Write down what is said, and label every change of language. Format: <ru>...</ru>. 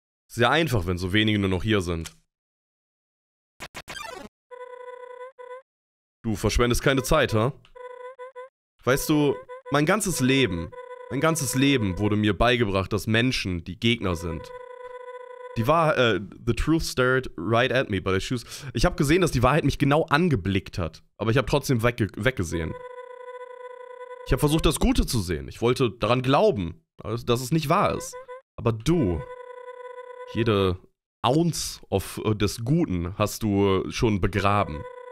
<de>Sehr einfach, wenn so wenige nur noch hier sind. Du verschwendest keine Zeit, hä? Huh? Weißt du, mein ganzes Leben wurde mir beigebracht, dass Menschen die Gegner sind.</de> <en>The truth stared right at me, but I choose.</en> <de>Ich habe gesehen, dass die Wahrheit mich genau angeblickt hat, aber ich habe trotzdem weggesehen. Ich habe versucht, das Gute zu sehen. Ich wollte daran glauben, dass es nicht wahr ist. Aber du, jede Ounce des Guten hast du schon begraben.</de>